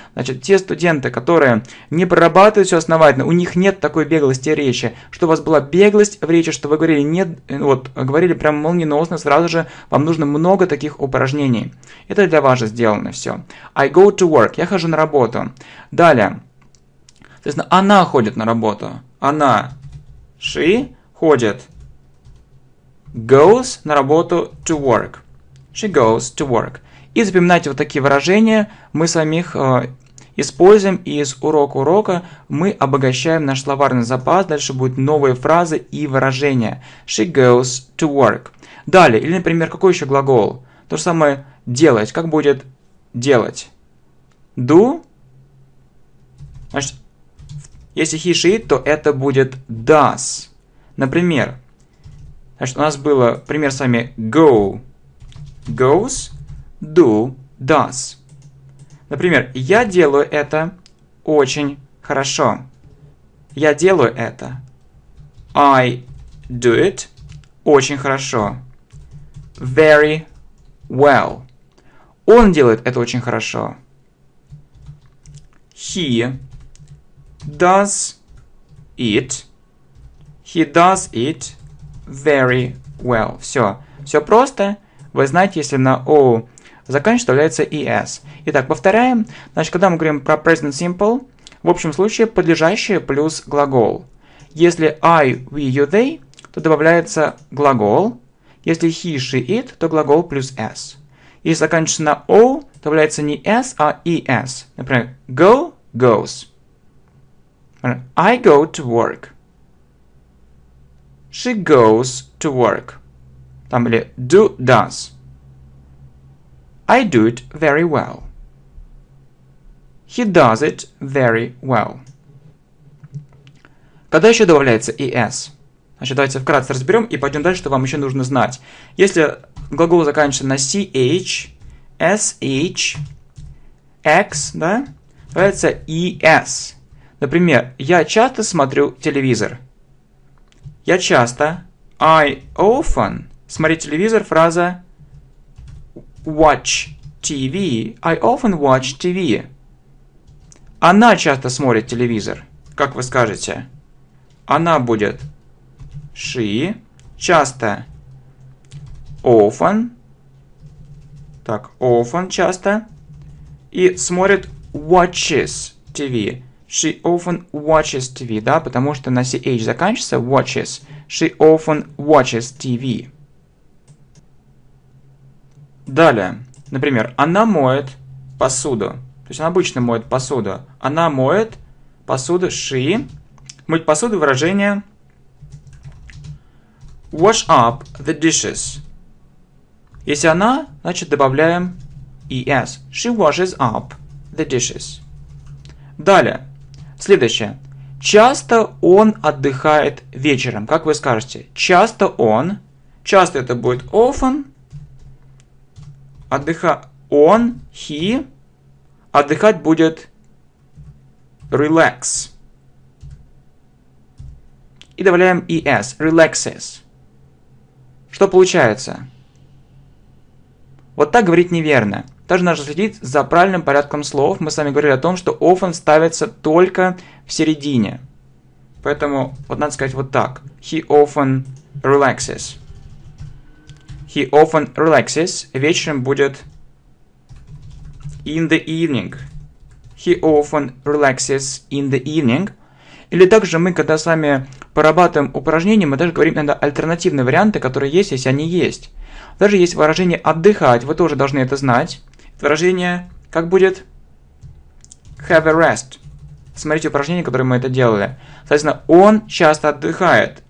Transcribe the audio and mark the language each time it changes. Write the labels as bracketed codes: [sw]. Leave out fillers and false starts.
[ru] Значит, те студенты, которые не прорабатывают все основательно, у них нет такой беглости речи, что у вас была беглость в речи, что вы говорили нет, вот, говорили прямо молниеносно, сразу же вам нужно много таких упражнений. Это для вас же сделано все. [en] I go to work, [ru] я хожу на работу. Далее. Соответственно, она ходит на работу. Она. She. Ходит. [en] Goes [ru] на работу [en] to work. She goes to work. [ru] И запоминайте вот такие выражения. Мы самих используем из урока урока. Мы обогащаем наш словарный запас. Дальше будут новые фразы и выражения. [en] She goes to work. [ru] Далее, или, например, какой еще глагол? То же самое делать. Как будет делать? Do. Значит, если he, she, то это будет does. Например, значит, у нас было пример с вами go, goes, do, does. Например, я делаю это очень хорошо. Я делаю это. [en] I do it [ru] очень хорошо. [en] Very well. [ru] Он делает это очень хорошо. [en] He does it. He does it very well. [ru] Все. Все просто. Вы знаете, если на O заканчивается ES. Итак, повторяем. Значит, когда мы говорим про present simple, в общем случае подлежащее плюс глагол. Если I, we, you, they, то добавляется глагол. Если he, she, it, то глагол плюс S. Если заканчивается на O, добавляется не S, а ES. Например, [en] go, goes. I go to work. She goes to work. [ru] Там или do, does. [en] I do it very well. He does it very well. [ru] Когда еще добавляется ES? Значит, давайте вкратце разберем и пойдем дальше, что вам еще нужно знать. Если глагол заканчивается на CH, SH, X, да, добавляется ES. Например, я часто смотрю телевизор. Я часто, I often, смотрю телевизор, фраза watch TV, [en] I often watch TV. [ru] Она часто смотрит телевизор. Как вы скажете? Она будет she, часто, often, так, often, часто, и смотрит watches TV. [en] She often watches TV, [ru] да, потому что на CH заканчивается watches. [en] She often watches TV. [ru] Далее, например, она моет посуду. То есть она обычно моет посуду. Она моет посуду, she. Мыть посуду, выражение [en] wash up the dishes. [ru] Если она, значит добавляем ES. [en] She washes up the dishes. [ru] Далее. Следующее. Часто он отдыхает вечером. Как вы скажете? Часто он. Часто это будет often. Он, he. Отдыхать будет relax. И добавляем ES. Relaxes. Что получается? Вот так говорить неверно. Также нужно следить за правильным порядком слов. Мы с вами говорили о том, что often ставится только в середине. Поэтому вот надо сказать вот так. [en] He often relaxes. He often relaxes. [ru] Вечером будет [en] in the evening. He often relaxes in the evening. [ru] Или также мы, когда с вами порабатываем упражнения, мы даже говорим иногда альтернативные варианты, которые есть, если они есть. Даже есть выражение «отдыхать», вы тоже должны это знать. Выражение, как будет? [en] Have a rest. [ru] Смотрите упражнение, которое мы это делали. Соответственно, он часто отдыхает.